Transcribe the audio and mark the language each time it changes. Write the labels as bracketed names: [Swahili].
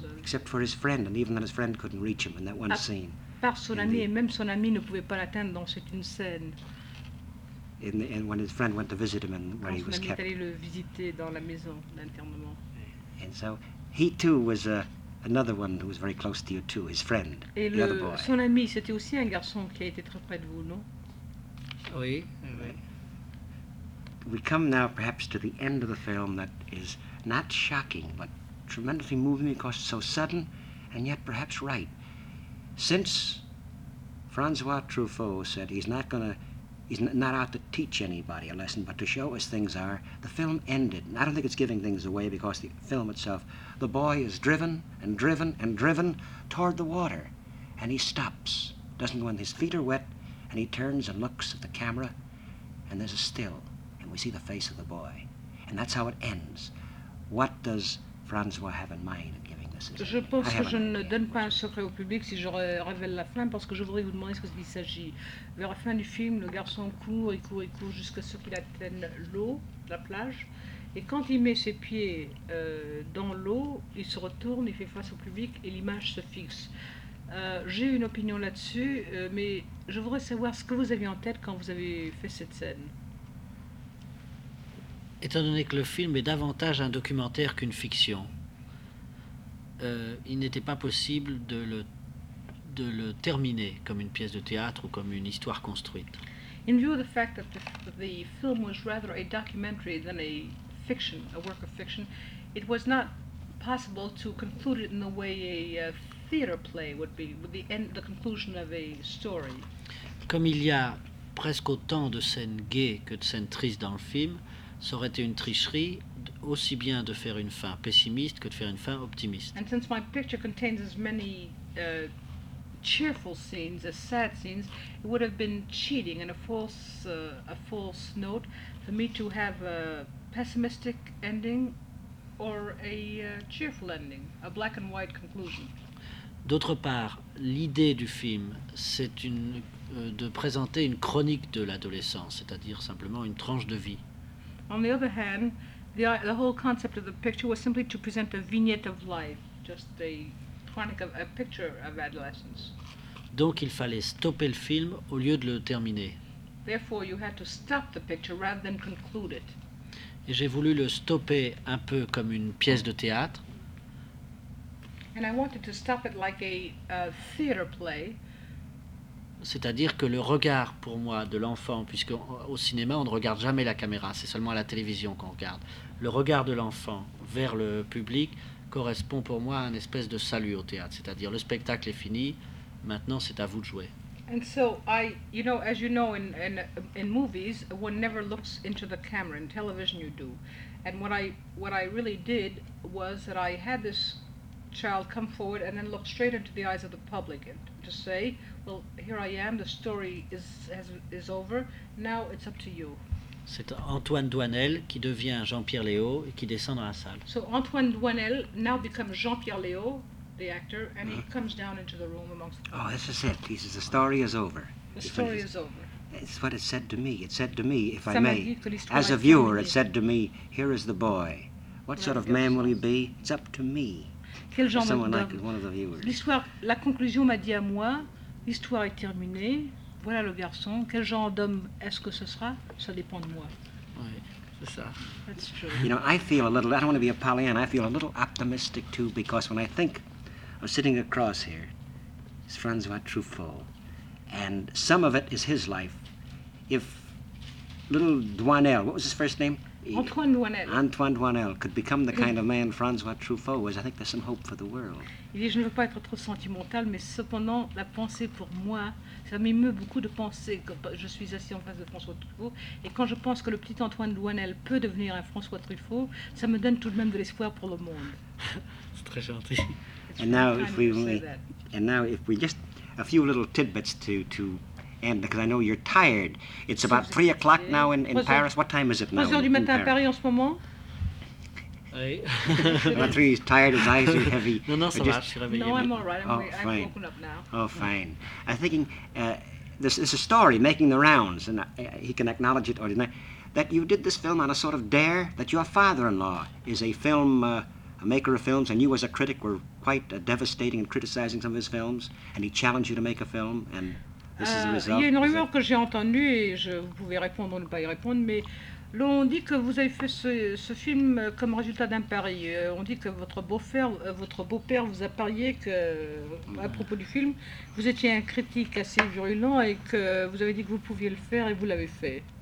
[English] Except for his friend, and even then his friend couldn't reach him in that one scene. [French] Par son ami, et même son ami ne pouvait pas l'atteindre dans cette scène. [English] And when his friend went to visit him, and where he was kept. [French] Quand son ami est allé le visiter dans la maison d'internement. [English] And so he too was another one who was very close to you too, his friend, [French] et [English] the other boy. [French] Son ami, c'était aussi un garçon qui a été très près de vous, non? Oui. [English] We come now perhaps to the end of the film that is not shocking, but tremendously moving because it's so sudden and yet perhaps right. Since Francois Truffaut said he's not out to teach anybody a lesson, but to show us things are, the film ended. And I don't think it's giving things away because the film itself, the boy is driven and driven and driven toward the water and he stops. Doesn't when his feet are wet and he turns and looks at the camera and there's a still. We see the face of the boy, and that's how it ends. What does Francois have in mind in giving this? [French] Je pense que je ne donne pas un secret au public si je révèle la fin, parce que je voudrais vous demander ce qu'il s'agit. Vers la fin du film, le garçon court et court et court jusqu'à ce qu'il atteigne l'eau, la plage. Et quand il met ses pieds dans l'eau, il se retourne, il fait face au public, et l'image se fixe. J'ai une opinion là-dessus, mais je voudrais savoir ce que vous aviez en tête quand vous avez fait cette scène. Étant donné que le film est davantage un documentaire qu'une fiction, il n'était pas possible de le terminer comme une pièce de théâtre ou comme une histoire construite. [English] In view of the fact that the film was rather a documentary than a fiction, a work of fiction, it was not possible to conclude it in the way a theater play would be, with the conclusion of a story. [French] comme il y a presque autant de scènes gaies que de scènes tristes dans le film, ça aurait été une tricherie aussi bien de faire une fin pessimiste que de faire une fin optimiste. [English] And since my picture contains as many cheerful scenes as sad scenes, it would have been cheating and a false note for me to have a pessimistic ending or a cheerful ending, a black and white conclusion. [French] D'autre part, l'idée du film, c'est de présenter une chronique de l'adolescence, c'est-à-dire simplement une tranche de vie. [English] On the other hand, the whole concept of the picture was simply to present a vignette of life, just a chronic of a picture of adolescence. [French] Donc il fallait stopper le film au lieu de le terminer. [English] Therefore, you had to stop the picture rather than conclude it. [French] Et j'ai voulu le stopper un peu comme une pièce de théâtre. [English] And I wanted to stop it like a theater play. [French] C'est-à-dire que le regard, pour moi, de l'enfant, puisque au cinéma, on ne regarde jamais la caméra, c'est seulement à la télévision qu'on regarde. Le regard de l'enfant vers le public correspond pour moi à une espèce de salut au théâtre. C'est-à-dire, le spectacle est fini, maintenant c'est à vous de jouer. [English] And so, in movies, one never looks into the camera. In television, you do. And what I really did was that I had this child come forward and then look straight into the eyes of the public and to say, well, here I am, the story is over, now it's up to you. [French] C'est Antoine Doinel qui devient Jean-Pierre Léo et qui descend dans la salle. [English] So Antoine Doinel now becomes Jean-Pierre Léo, the actor, and he comes down into the room amongst the people. Oh, this is it. This is the story is over. The story is over. It's what it said to me. It said to me, if I may, as a viewer, it said to me, here is the boy. What sort of man will he be? It's up to me. [French] Quel genre [English] someone like one of the viewers. [French] L'histoire, la conclusion m'a dit à moi, l'histoire est terminée, voilà le garçon, quel genre d'homme est-ce que ce sera? Ça dépend de moi. Oui, c'est ça. [English] That's true. You know, I feel a little, I don't want to be a Pollyanna, I feel a little optimistic too, because when I think of sitting across here, it's Francois Truffaut, and some of it is his life. If little Doinel, what was his first name? Antoine Doinel could become the kind of man Francois Truffaut was. I think there's some hope for the world. [French] Il dit, je ne veux pas être trop sentimental, mais cependant, la pensée pour moi, ça m'émeut beaucoup de penser que je suis assis en face de François Truffaut, et quand je pense que le petit Antoine Doinel peut devenir un François Truffaut, ça me donne tout de même de l'espoir pour le monde. C'est très gentil. [English] And now if we just a few little tidbits to end, because I know you're tired. It's about 3 o'clock now in Paris. What time is it now? [French] 3 du matin à Paris en ce moment. [English] My three is tired, his eyes are heavy. [French] No, ça va, je suis réveillé. [English] No, I'm all right. I'm woken up now. Oh, fine. Yeah. I'm thinking, this is a story making the rounds, and he can acknowledge it or deny, that you did this film on a sort of dare, that your father-in-law is a film, a maker of films, and you as a critic were quite devastating in criticizing some of his films, and he challenged you to make a film, and... [French] Il y a une rumeur que j'ai entendue et je pouvais répondre ou ne pas y répondre, mais l'on dit que vous avez fait ce film comme résultat d'un pari. On dit que votre beau-père vous a parié que, à propos du film, vous étiez un critique assez virulent et que vous avez dit que vous pouviez le faire et vous l'avez fait.